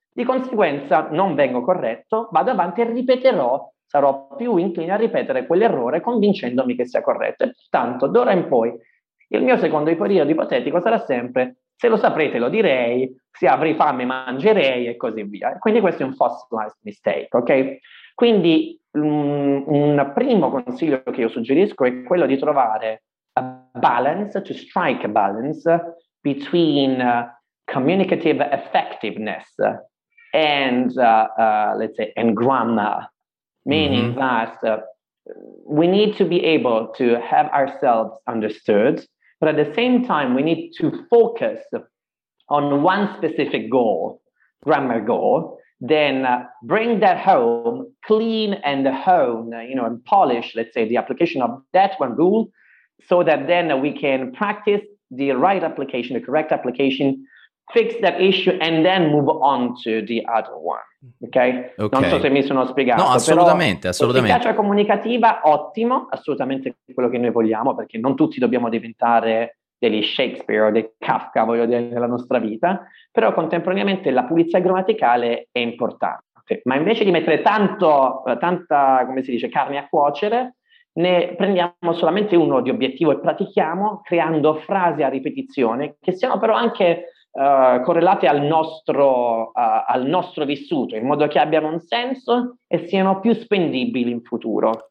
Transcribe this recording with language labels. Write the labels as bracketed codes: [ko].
[it] Di conseguenza non vengo corretto, vado avanti e ripeterò, sarò più incline a ripetere quell'errore convincendomi che sia corretto. E pertanto, d'ora in poi, il mio secondo periodo ipotetico sarà sempre se lo saprete lo direi, se avrei fame mangerei e così via. Quindi questo è un [en] fossilized mistake, [it] ok? Quindi un primo consiglio che io suggerisco è quello di trovare [en] a balance, to strike a balance between communicative effectiveness and let's say and grammar, meaning that we need to be able to have ourselves understood, but at the same time we need to focus on one specific goal, grammar goal, then bring that home, clean and hone, you know, and polish, let's say, the application of that one rule, so that then we can practice the right application, the correct application, fix that issue and then move on to the other one. Okay? [it] Non so se mi sono spiegato. No, assolutamente, però, assolutamente. Efficacia comunicativa, ottimo, assolutamente quello che noi vogliamo, perché non tutti dobbiamo diventare degli Shakespeare o dei Kafka, voglio dire, nella nostra vita, però contemporaneamente la pulizia grammaticale è importante. Ma invece di mettere tanta, come si dice, carne a cuocere, ne prendiamo solamente uno di obiettivo e pratichiamo creando frasi a ripetizione che siano però anche correlate al nostro vissuto, in modo che abbiano un senso e siano più spendibili in futuro.